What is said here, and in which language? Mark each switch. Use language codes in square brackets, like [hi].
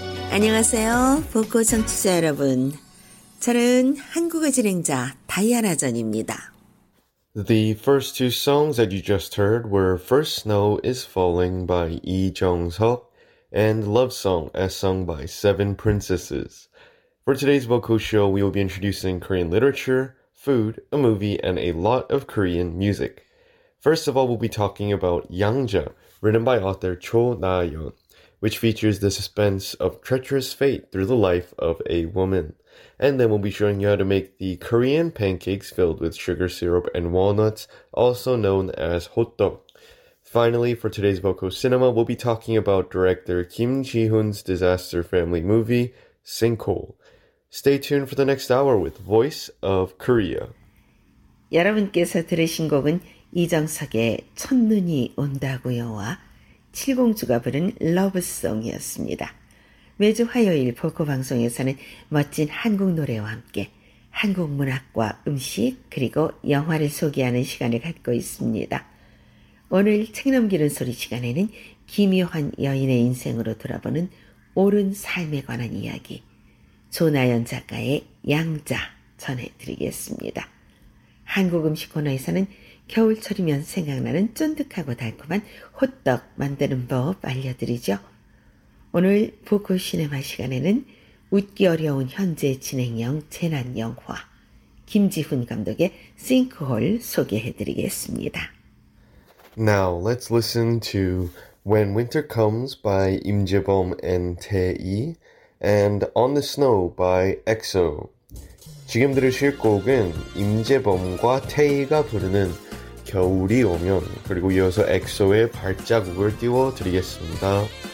[ko] 안녕하세요, 복고 청취자 여러분. 저는 한국어 진행자 다이아나 전입니다. [en] The first two songs that you just heard were First Snow is Falling by Lee Jong-seok and Love Song as sung by Seven Princesses. For today's Boku Show, we will be introducing Korean literature, food, a movie, and a lot of Korean music. First of all, we'll be talking about Yangja, written by author Cho Na-yeon, which features the suspense of treacherous fate through the life of a woman. And then we'll be showing you how to make the Korean pancakes filled with sugar syrup and walnuts, also known as hotdog. Finally, for today's Boku Cinema, we'll be talking about director Kim Ji-hoon's disaster family movie, Sinkhole. Stay tuned for the next hour with Voice of Korea. [ko] 여러분께서 들으신 곡은 이정석의 첫눈이 온다고요와 칠공주가 부른 러브송이었습니다. 매주 화요일 보코 방송에서는 멋진 한국 노래와 함께 한국 문학과 음식 그리고 영화를 소개하는 시간을 갖고 있습니다. 오늘 책 넘기는 소리 시간에는 기묘한 여인의 인생으로 돌아보는 옳은 삶에 관한 이야기 조나연 작가의 양자 전해드리겠습니다. 한국 음식 코너에서는 겨울철이면 생각나는 쫀득하고 달콤한 호떡 만드는 법 알려드리죠. 오늘 보코 시네마 시간에는 웃기 어려운 현재 진행형 재난 영화 김지훈 감독의 싱크홀 소개해드리겠습니다. [en] Now let's listen to When Winter Comes by 임재범 and 태희 and On the Snow by EXO. [ko] 지금 들으실 곡은 임재범과 태희가 부르는 겨울이 오면 그리고 이어서 EXO의 발자국을 띄워드리겠습니다.